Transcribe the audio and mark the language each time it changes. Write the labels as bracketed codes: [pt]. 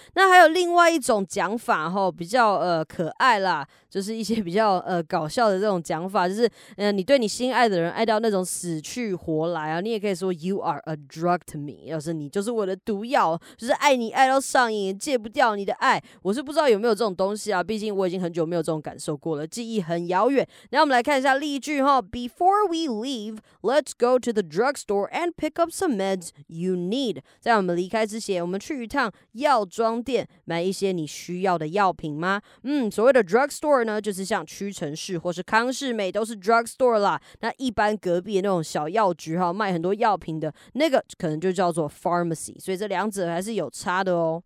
[zh] 那还有另外一种讲法哈，比较可爱啦，就是一些比较搞笑的这种讲法，就是你对你心爱的人爱到那种死去活来啊，你也可以说 [en] you are a drug to me， [zh] 要是你就是我的毒药，就是爱你爱到上瘾，戒不掉你的爱。我是不知道有没有这种东西啊，毕竟我已经很久没有这种感受过了，记忆很遥远。那我们来看一下例句哈。 [en] Before we leave, let's go to the drugstore and pick up some meds you need。 [zh] 在我们离开之前，我们去一趟药妆店买一些你需要的药品吗？所谓的 drugstore 呢，就是像屈臣氏或是康士美都是 drugstore 啦。那一般隔壁的那种小药局哈，卖很多药品的那个可能就叫做 pharmacy， 所以这两者还是有差的哦。